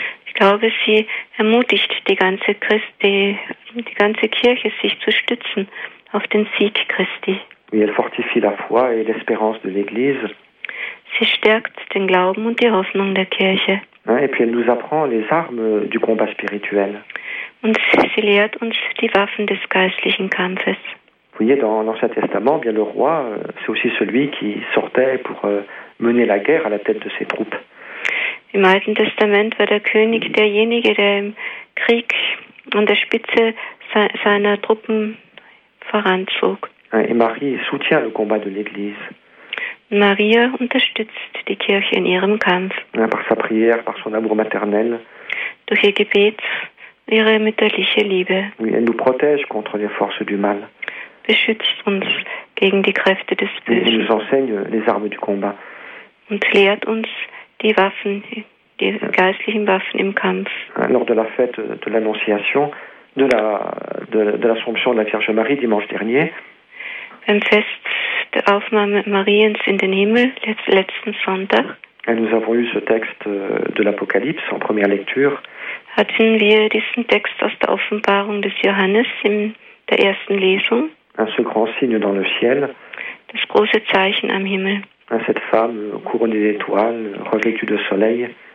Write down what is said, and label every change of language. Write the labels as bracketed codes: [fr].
[de] Ich glaube, sie ermutigt die ganze Kirche, sich zu stützen auf den Sieg Christi. [fr] Oui, elle fortifie la foi et l'espérance de l'Église. [de] Sie stärkt den Glauben und die Hoffnung der Kirche. [fr] Hein, et puis elle nous apprend les armes du combat spirituel. [de] Und sie lehrt uns die Waffen des geistlichen Kampfes. [fr] Vous voyez, dans l'Ancien Testament, bien le roi, c'est aussi celui qui sortait pour mener la guerre à la tête de ses troupes. [de] Im Alten Testament war der König derjenige, der im Krieg an der Spitze seiner Truppen voranzog. [fr] Et Marie soutient le combat de l'Église. [de] Maria unterstützt die Kirche in ihrem Kampf. [fr] Par sa prière, par son amour maternel. [de] Durch ihr Gebet, ihre mütterliche Liebe. [fr] Oui, elle nous protège contre les forces du mal. [de] Beschützt uns gegen die Kräfte des Bösen. [fr] Elle nous enseigne les armes du combat. [de] Und lehrt uns die Waffen, die geistlichen Waffen im Kampf. [fr] Lors de la fête de l'Annonciation, de l'Assomption de la Vierge Marie dimanche dernier. [de] Beim Fest der Aufnahme Mariens in den Himmel letzten Sonntag. [fr] Nous avons eu ce texte de l'Apocalypse en première lecture. [de] Hatten wir diesen Text aus der Offenbarung des Johannes in der ersten Lesung. [fr] Ce grand signe dans le ciel. [de] Das große Zeichen am Himmel. [fr] Cette femme couronnée d'étoiles, revêtue de soleil.